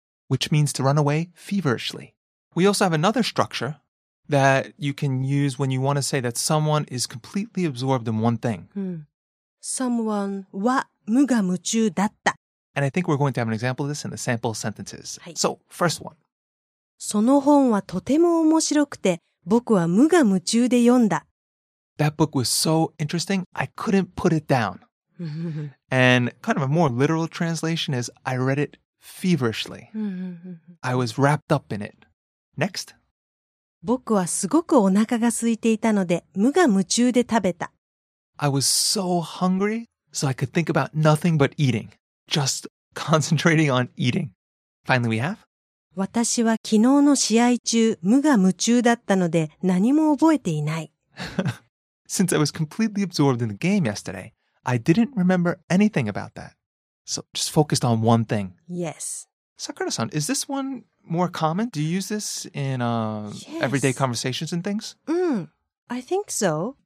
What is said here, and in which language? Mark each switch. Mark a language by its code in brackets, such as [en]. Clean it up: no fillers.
[en] which means to run away feverishly. We also have another structure that you can use when you want to say that someone is completely absorbed in one thing. Someone [ja] wa muga muchu datta. [en] And I think we're going to have an example of this in the sample sentences. [ja] はい。 [en] So, first one. [ja] その本はとても面白くて、僕は無我夢中で読んだ。 [en] That book was so interesting, I couldn't put it down. And kind of a more literal translation is, I read it feverishly. I was wrapped up in it. Next. [ja] 僕はすごくお腹が空いていたので、無我夢中で食べた。 [en] I was so hungry, so I could think about nothing but eating. Just concentrating on eating. Finally, we have. [ja] 私は昨日の試合中、無我夢中だったので何も覚えていない。 [en] Since I was completely absorbed in the game yesterday, I didn't remember anything about that. So just focused on one thing. Yes. Sakura-san, is this one more common? Do you use this in everyday conversations and things? I think so.